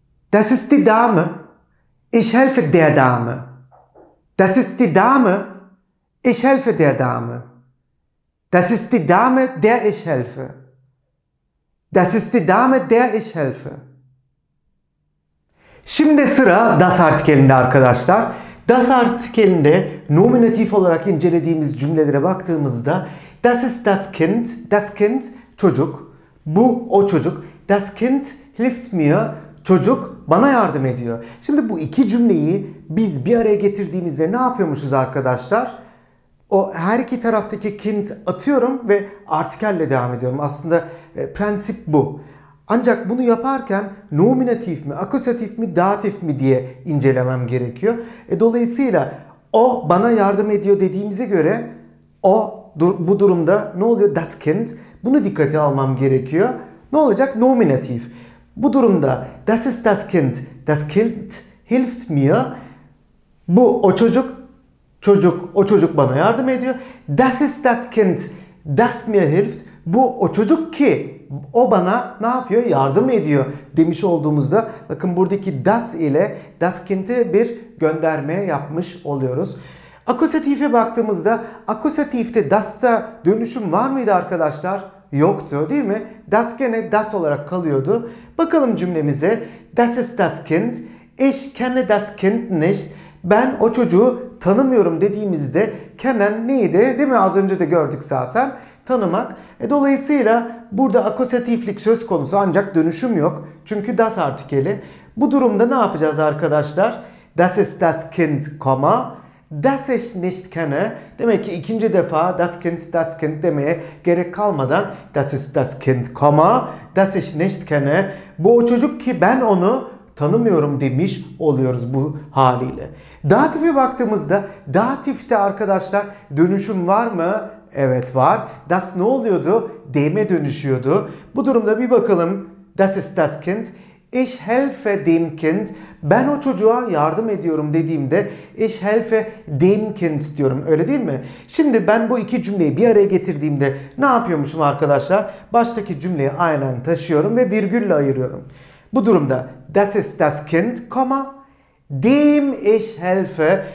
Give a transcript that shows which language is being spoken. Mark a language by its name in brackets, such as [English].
[German] Das ist die Dame. Ich helfe der Dame. Das ist die Dame. Ich helfe der Dame. Das ist die Dame, der ich helfe. Das ist die Dame, der ich helfe. [Turkish] Şimdi sıra das artikelinde arkadaşlar. Das artikelinde nominatif olarak incelediğimiz cümlelere baktığımızda [German] das ist das Kind, das Kind [Turkish] çocuk, bu o çocuk, [German] das Kind hilft mir, [Turkish] çocuk bana yardım ediyor. Şimdi bu iki cümleyi biz bir araya getirdiğimizde ne yapıyormuşuz arkadaşlar? O her iki taraftaki Kind atıyorum ve artikelle devam ediyorum. Aslında prensip bu. Ancak bunu yaparken nominatif mi, akusatif mi, datif mi diye incelemem gerekiyor. Dolayısıyla o bana yardım ediyor dediğimize göre o bu durumda ne oluyor? Das Kind. Bunu dikkate almam gerekiyor. Ne olacak? Nominatif. Bu durumda [German] das ist das Kind. Das Kind hilft mir. [Turkish] Bu o çocuk. Çocuk, o çocuk bana yardım ediyor. [German] Das ist das Kind. Das mir hilft. [Turkish] Bu o çocuk ki o bana ne yapıyor? Yardım ediyor demiş olduğumuzda bakın buradaki das ile das Kind'e bir gönderme yapmış oluyoruz. Akusatife baktığımızda akusatifte das'ta dönüşüm var mıydı arkadaşlar? Yoktu değil mi? Das gene das olarak kalıyordu. Bakalım cümlemize. [German] Das ist das Kind. Ich kenne das Kind nicht. [Turkish] Ben o çocuğu tanımıyorum dediğimizde kennen neydi değil mi? Az önce de gördük zaten. Tanımak. Dolayısıyla burada akusatiflik söz konusu ancak dönüşüm yok. Çünkü das artikeli. Bu durumda ne yapacağız arkadaşlar? [German] Das ist das Kind, das ich nicht kenne. [Turkish] Demek ki ikinci defa das Kind demeye gerek kalmadan [German] das ist das Kind, das ich nicht kenne. [Turkish] Bu o çocuk ki ben onu tanımıyorum demiş oluyoruz bu haliyle. Datif'e baktığımızda datif'te arkadaşlar dönüşüm var mı? Evet var. Das ne oluyordu? Dem'e dönüşüyordu. Bu durumda bir bakalım. [German] Das ist das Kind. Ich helfe dem Kind. [Turkish] Ben o çocuğa yardım ediyorum dediğimde [German] ich helfe dem Kind [Turkish] diyorum. Öyle değil mi? Şimdi ben bu iki cümleyi bir araya getirdiğimde ne yapıyormuşum arkadaşlar? Baştaki cümleyi aynen taşıyorum ve virgülle ayırıyorum. Bu durumda [German] das ist das Kind, dem ich helfe.